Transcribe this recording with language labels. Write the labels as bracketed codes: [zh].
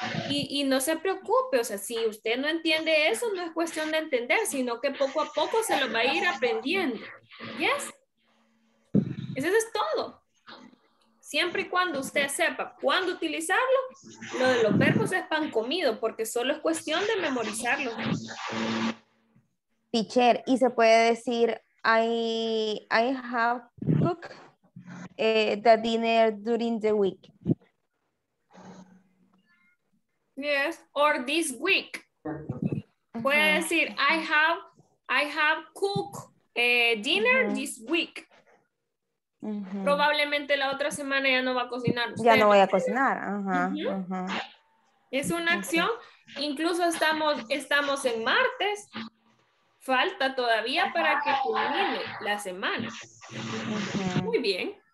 [es] Y no se preocupe, o sea, si usted no entiende eso, no es cuestión de entender, sino que poco a poco se lo va a ir aprendiendo. Yes. Eso es todo. Siempre y cuando usted sepa cuándo utilizarlo, lo de los verbos es pan comido, porque solo es cuestión de memorizarlo. [en] Teacher, [es] y se puede decir, [en] I have cooked the dinner during the week. Yes, or this week. [es] Puede decir, [en] I have cooked dinner this week. [es] Probablemente la otra semana ya no va a cocinar usted. Ya no voy a cocinar. Es una acción. Incluso estamos en martes. Falta todavía para que culmine la semana. Muy bien.